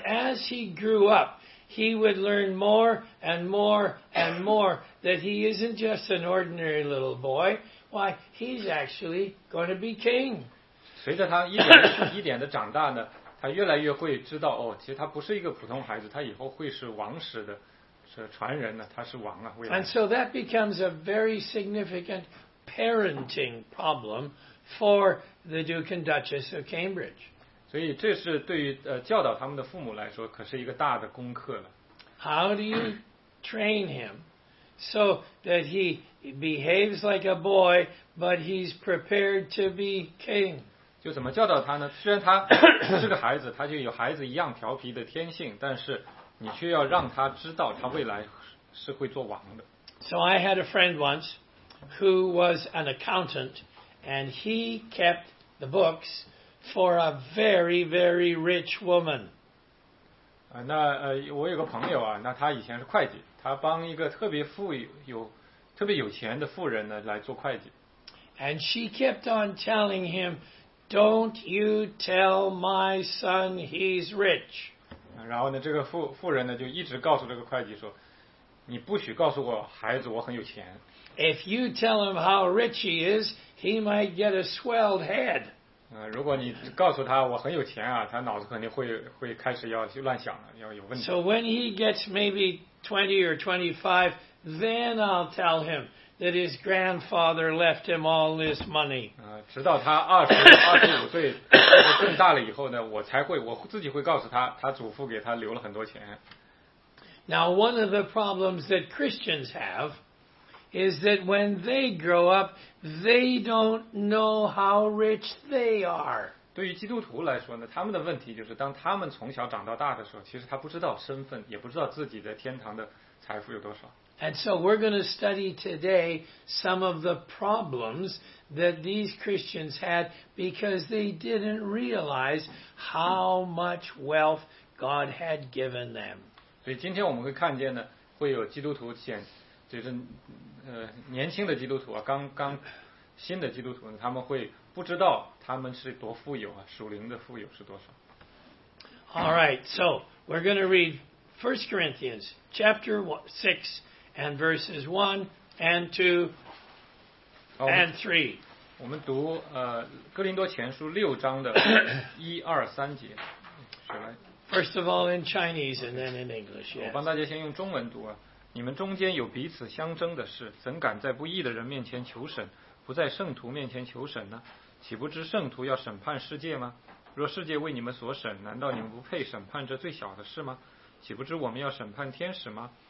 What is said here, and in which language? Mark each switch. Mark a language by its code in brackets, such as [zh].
[en] as he grew up, he would learn more and more and more that he isn't just an ordinary little boy. Why, he's actually going to be king. [zh] 随着他一点一点的长大呢，他越来越会知道，哦，其实他不是一个普通孩子，他以后会是王室的，是传人呢，他是王啊，未来。 [en] And so that becomes a very significant parenting problem for the Duke and Duchess of Cambridge. [zh] 所以这是对于教导他们的父母来说，可是一个大的功课了。 [en] How do you train him so that he behaves like a boy, but he's prepared to be king? [zh] 就怎么教导他呢？虽然他是个孩子，他就有孩子一样调皮的天性，但是你却要让他知道他未来是会做王的。 [en] So I had a friend once who was an accountant, and he kept the books for a very, very rich woman. [zh] 那我有个朋友啊，那他以前是会计，他帮一个特别富有、特别有钱的富人呢来做会计。 [en] And she kept on telling him, "Don't you tell my son he's rich." [zh] 然后呢，这个富人呢就一直告诉这个会计说，你不许告诉我孩子我很有钱。 [en] If you tell him how rich he is, he might get a swelled head. [zh] 如果你告诉他我很有钱啊，他脑子肯定会开始要乱想了，要有问题。 [en] So when he gets maybe 20 or 25, then I'll tell him that his grandfather left him all this money. [zh] 直到他25岁更大了以后呢，我自己会告诉他，他祖父给他留了很多钱。 [en] Now one of the problems that Christians have is that when they grow up, they don't know how rich they are. [zh] 对于基督徒来说呢，他们的问题就是当他们从小长到大的时候，其实他不知道身份，也不知道自己的天堂的财富有多少。 [en] And so we're going to study today some of the problems that these Christians had because they didn't realize how much wealth God had given them. [zh] 所以今天我们会看见呢，会有基督徒就是年轻的基督徒啊，刚刚新的基督徒呢，他们会不知道他们是多富有啊，属灵的富有是多少。 [en] All right, so we're going to read 1 Corinthians chapter 6 and verses 1 and 2 and 3. [zh] 我们读哥林多前书六章的一二三节。 [en] First of all in Chinese and then in English. [zh] 我帮大家先用中文读啊。你们中间有彼此相争的事，怎敢在不义的人面前求审，不在圣徒面前求审呢？岂不知圣徒要审判世界吗？若世界为你们所审，难道你们不配审判这最小的事吗？岂不知我们要审判天使吗？